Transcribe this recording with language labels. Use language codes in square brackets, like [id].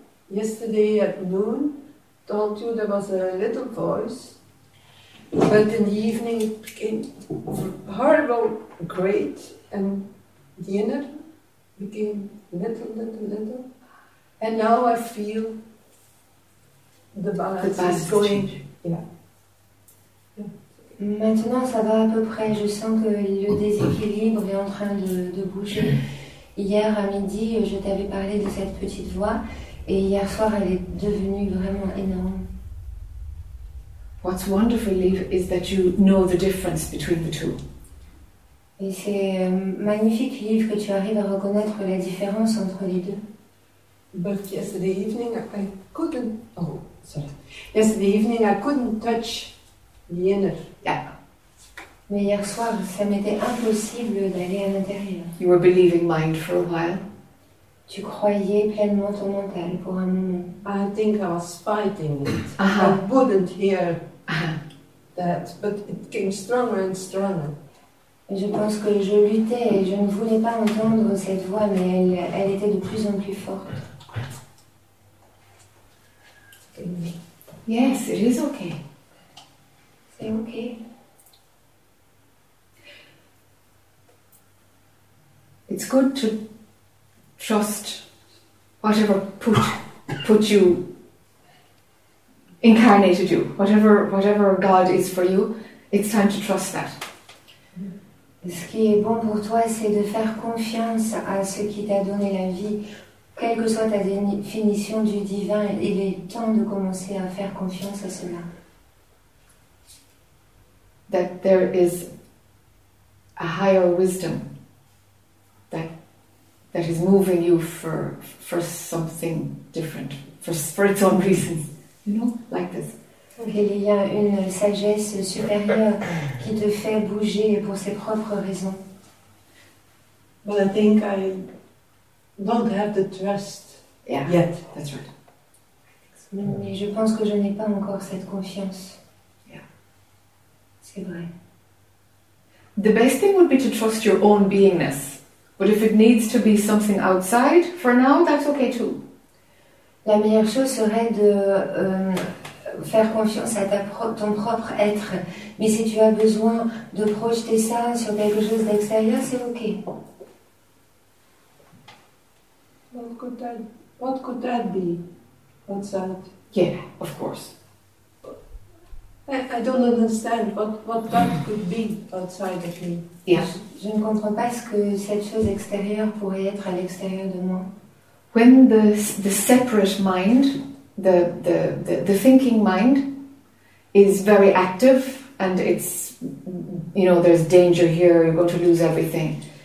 [en] Yesterday at noon, told you there was a little voice, but in the evening it became horrible, great, and the inner became little, little, little. And now I feel the balance is going. [fr] Maintenant ça va à peu près, je sens que le déséquilibre est en train de bouger. Hier à midi, je t'avais parlé de cette petite voix, et hier soir elle est devenue vraiment énorme. [en] What's wonderful, Liv, is that you know the difference between the two. [fr] Et c'est magnifique, Liv, que tu arrives à reconnaître la différence entre les deux. [en] But yesterday evening I couldn't... Oh, sorry. Yesterday evening I couldn't touch the inner. Yeah. [fr] Mais hier soir, ça m'était impossible d'aller à l'intérieur. [en] You were believing mind for a while. [fr] Tu croyais pleinement ton mental pour un moment. [en] I think I was fighting it. I wouldn't hear that, but it came stronger and stronger. [fr] Et je pense que je luttais et je ne voulais pas entendre cette voix, mais elle était de plus en plus forte. [en] Yes, it is okay. [fr] C'est okay. [en] It's good to trust whatever put you, incarnated you, whatever God is for you, it's time to trust that. [fr] Ce qui est bon pour toi, c'est de faire confiance à ce qui t'a donné la vie. Quelle que soit ta définition du divin, il est temps de commencer à faire confiance à cela. [en] That there is a higher wisdom. That is moving you for something different, for its own reasons, you know, like this. [fr] Okay, il y a une sagesse supérieure qui te fait bouger pour ses propres raisons. [en] But I think I don't have the trust yet. That's right. [fr] Mais je pense que je n'ai pas encore cette confiance. [en] Yeah. [fr] C'est vrai. [en] The best thing would be to trust your own beingness. But if it needs to be something outside, for now, that's okay too. [fr] La meilleure chose serait de faire confiance à ton propre être. Mais si tu as besoin de projeter ça sur quelque chose d'extérieur, c'est okay. [en] What could that be outside? Yeah, of course. I don't understand what that could be outside of me. Yeah. [fr] Je ne comprends pas ce que cette chose extérieure pourrait être à l'extérieur de moi. [en] When the separate mind, the thinking mind, is very active and it's, you know, there's danger here, you're going to lose everything.